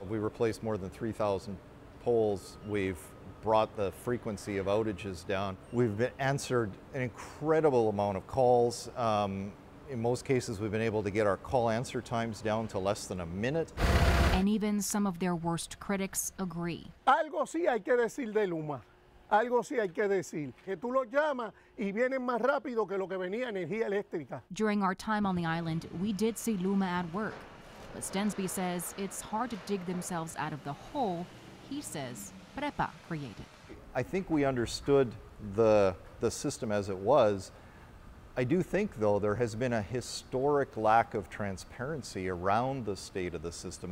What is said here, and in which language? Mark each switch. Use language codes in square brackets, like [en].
[en] We replaced more than 3,000 poles. We've brought the frequency of outages down. We've answered an incredible amount of calls. In most cases, we've been able to get our call answer times down to less than a minute. And even some of their worst critics agree. [es] Algo sí hay que decir de Luma. Algo sí hay que decir. Que tú los llamas y vienen más rápido que lo que venía energía eléctrica. [en] During our time on the island, we did see Luma at work. But Stensby says it's hard to dig themselves out of the hole, he says, PREPA created. I think we understood the system as it was. I do think, though, there has been a historic lack of transparency around the state of the system.